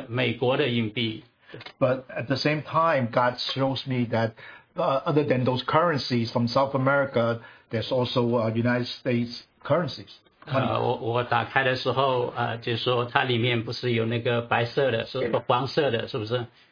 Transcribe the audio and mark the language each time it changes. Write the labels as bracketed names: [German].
[Chinese] 也就是类似的原因，这个就说神也让我看到，就说是一些的硬币，但是不是南美洲的硬币，是这个美国的硬币。But [English] at the same time, God shows me that other than those currencies from South America, there's also United States currencies. [Chinese] 我打开的时候，就说它里面不是有那个白色的，是黄色的，是不是？